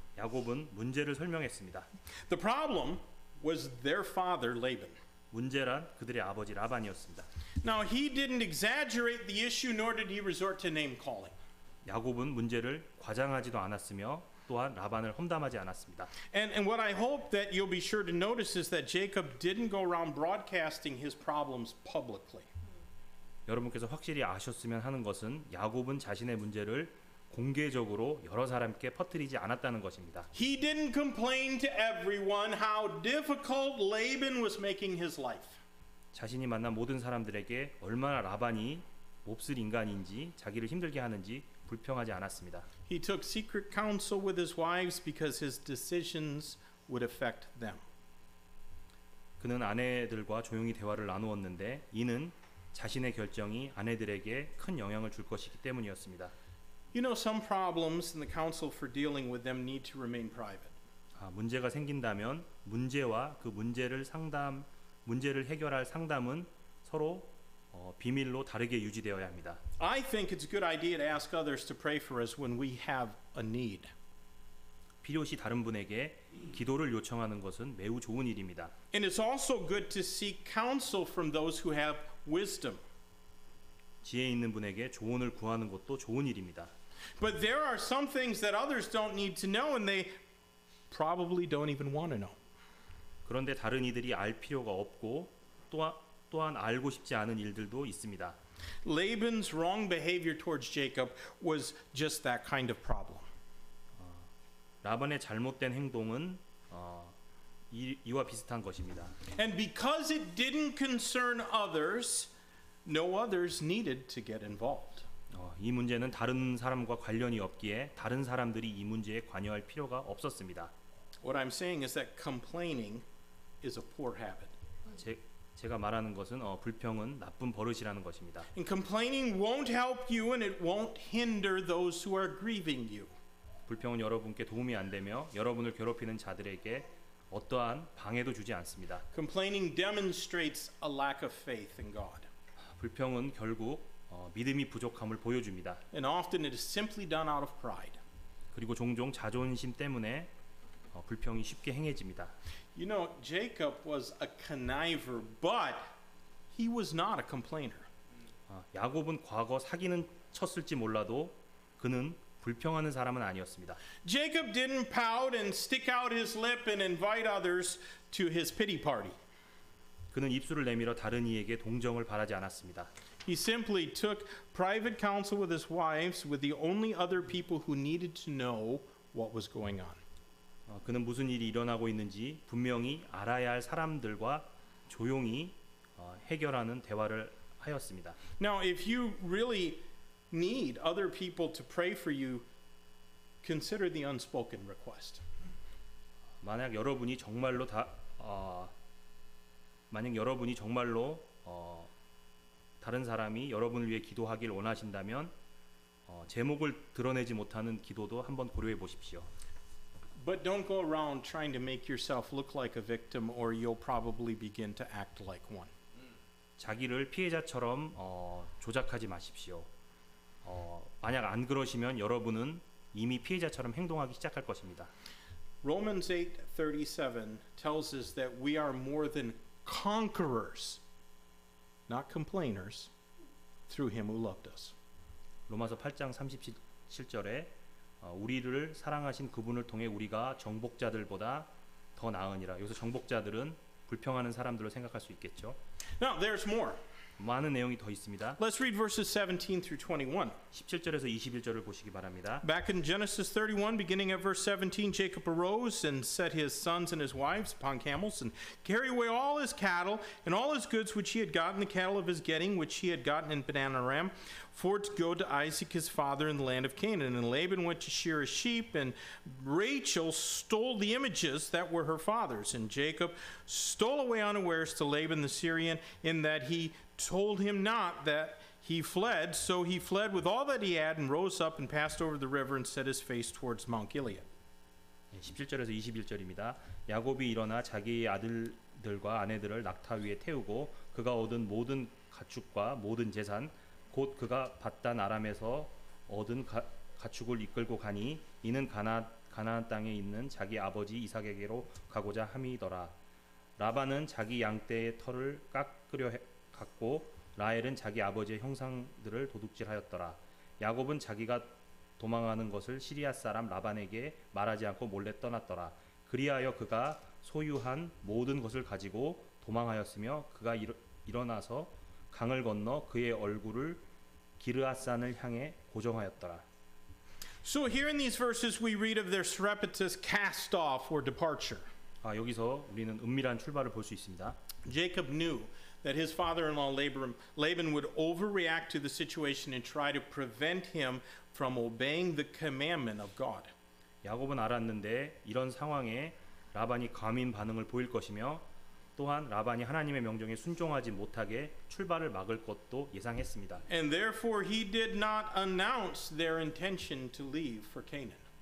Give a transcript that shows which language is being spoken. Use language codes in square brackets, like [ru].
[ko] 야곱은 문제를 설명했습니다. [en] The problem was their father Laban. [ko] 문제란 그들의 아버지 라반이었습니다. [en] Now he didn't exaggerate the issue, nor did he resort to name calling. [ko] 야곱은 문제를 과장하지도 않았으며, 또한 라반을 험담하지 않았습니다. [en] And what I hope that you'll be sure to notice is that Jacob didn't go around broadcasting his problems publicly. [ko] 여러분께서 확실히 아셨으면 하는 것은 야곱은 자신의 문제를 공개적으로 여러 사람께 퍼뜨리지 않았다는 것입니다. [en] He didn't complain to everyone how difficult Laban was making his life. [ko] 자신이 만난 모든 사람들에게 얼마나 라반이 몹쓸 인간인지 자기를 힘들게 하는지 불평하지 않았습니다. [en] He took secret counsel with his wives because his decisions would affect them. [ko] 그는 아내들과 조용히 대화를 나누었는데 이는 자신의 결정이 아내들에게 큰 영향을 줄 것이기 때문이었습니다. [en] You know, some problems and the counsel for dealing with them need to remain private. [ko] 문제가 생긴다면 문제와 그 문제를 해결할 상담은 서로 비밀로 다르게 유지되어야 합니다. [en] I think it's a good idea to ask others to pray for us when we have a need. [ko] 필요시 다른 분에게 기도를 요청하는 것은 매우 좋은 일입니다. [en] And it's also good to seek counsel from those who have wisdom. [ko] 지혜 있는 분에게 조언을 구하는 것도 좋은 일입니다. [en] But there are some things that others don't need to know and they probably don't even want to know. [ko] 그런데 다른 이들이 알 필요가 없고 또한 알고 싶지 않은 일들도 있습니다. [en] Laban's wrong behavior towards Jacob was just that kind of problem. [ko] 라반의 잘못된 행동은 이와 비슷한 것입니다. [en] And because it didn't concern others, no others needed to get involved. [ko] 이 문제는 다른 사람과 관련이 없기에 다른 사람들이 이 문제에 관여할 필요가 없었습니다. [en] What I'm saying is that complaining is a poor habit. [ko] 제가 말하는 것은 불평은 나쁜 버릇이라는 것입니다. [en] And complaining won't help you and it won't hinder those who are grieving you. [ko] 불평은 여러분께 도움이 안 되며 여러분을 괴롭히는 자들에게 어떠한 방해도 주지 않습니다. [en] Complaining demonstrates a lack of faith in God. [ko] 불평은 결국 믿음이 부족함을 보여줍니다. [en] And often it is simply done out of pride. [ko] 그리고 종종 자존심 때문에 불평이 쉽게 행해집니다. [en] You know, Jacob was a conniver, but he was not a complainer. [ko] 야곱은 과거 사기는 쳤을지 몰라도 그는 불평하는 사람은 아니었습니다. [en] Jacob didn't pout and stick out his lip and invite others to his pity party. [ko] 그는 입술을 내밀어 다른 이에게 동정을 바라지 않았습니다. [en] He simply took private counsel with his wives, with the only other people who needed to know what was going on. [ko] 그는 무슨 일이 일어나고 있는지 분명히 알아야 할 사람들과 조용히 해결하는 대화를 하였습니다. [en] Now, if you really need other people to pray for you, consider the unspoken request. [ko] 만약 여러분이 정말로 다 만약 여러분이 정말로 다른 사람이 여러분을 위해 기도하길 원하신다면 제목을 드러내지 못하는 기도도 한번 고려해 보십시오. [en] But don't go around trying to make yourself look like a victim or you'll probably begin to act like one. [ko] 자기를 피해자처럼 조작하지 마십시오. 만약 안 그러시면 여러분은 이미 피해자처럼 행동하기 시작할 것입니다. [en] Romans 8:37 tells us that we are more than conquerors, not complainers, through him who loved us. [ko] 로마서 8장 37절에 우리를 사랑하신 그분을 통해 우리가 정복자들보다 더 나으니라. 여기서 정복자들은 불평하는 사람들로 생각할 수 있겠죠. [en] Now there's more. [ko] 많은 내용이 더 있습니다. [en] Let's read verses 17 through 21. [ko] 17절에서 21절을 보시기 바랍니다. [en] Back in Genesis 31, beginning at verse 17, Jacob arose and set his sons and his wives upon camels and carried away all his cattle and all his goods which he had gotten, the cattle of his getting which he had gotten in Padan Aram, for to go to Isaac his father in the land of Canaan. And Laban went to shear his sheep, and Rachel stole the images that were her father's. And Jacob stole away unawares to Laban the Syrian, in that he told him not that he fled. So he fled with all that he had and rose up and passed over the river and set his face towards Mount Gilead. [ko] 17절에서 21절입니다. 야곱이 일어나 자기의 아들들과 아내들을 낙타 위에 태우고 그가 얻은 모든 가축과 모든 재산 곧 그가 받단 아람에서 얻은 가축을 이끌고 가니 이는 가나안 땅에 있는 자기 아버지 이삭에게로 가고자 함이더라. 라반은 자기 양떼의 털을 깎으려 갔고 라헬은 자기 아버지의 형상들을 도둑질하였더라. 야곱은 자기가 도망하는 것을 시리아 사람 라반에게 말하지 않고 몰래 떠났더라. 그리하여 그가 소유한 모든 것을 가지고 도망하였으며 그가 일어나서 강을 건너 그의 얼굴을 기르앗산을 향해 고정하였더라. [en] So here in these verses we read of their surreptitious cast off or departure. [ko] 여기서 우리는 은밀한 출발을 볼 수 있습니다. [en] Jacob knew that his father-in-law Laban would overreact to the situation and try to prevent him from obeying the commandment of God. [ko] 야곱은 알았는데 이런 상황에 라반이 과민 반응을 보일 것이며 또한 라반이 하나님의 명령에 순종하지 못하게 출발을 막을 것도 예상했습니다. [en] And therefore he did not announce their intention to leave for Canaan.